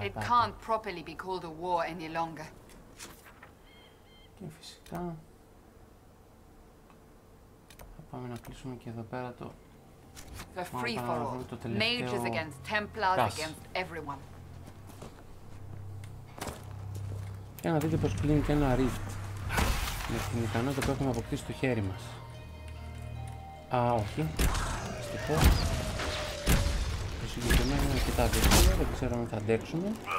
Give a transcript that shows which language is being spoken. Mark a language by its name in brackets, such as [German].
[English] It can't properly be called a war any longer. [Greek] Και φυσικά. Θα πάμε να κλείσουμε και εδώ πέρα το [English] The free for all. Mages against Templars against everyone. [Greek] Για να δείτε πως κλείνει και ένα rift με την ικανότητα που έχουμε αποκτήσει στο χέρι μας. Α, όχι. Αστυχώ. Το συγκεκριμένο είναι αρκετά δύσκολο, δεν ξέρω αν θα αντέξουμε.